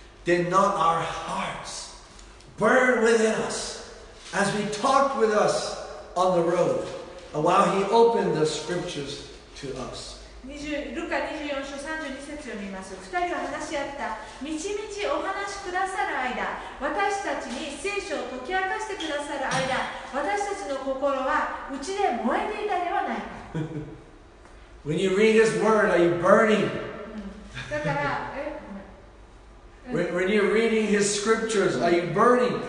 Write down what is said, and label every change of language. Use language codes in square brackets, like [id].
[en] Did not our hearts burn within us as we talked with us on the road? While he opened the scriptures to us. [ja] ルカ24章32節読みます。2人は話し合った。みちみちお話しくださる間、私たちに聖書を解き明かしてくださる間、私たちの心はうちで燃えていたではないか。 [en] When you read his word, are you burning? [ja] だから、 [en] When you're reading his scriptures, are you burning?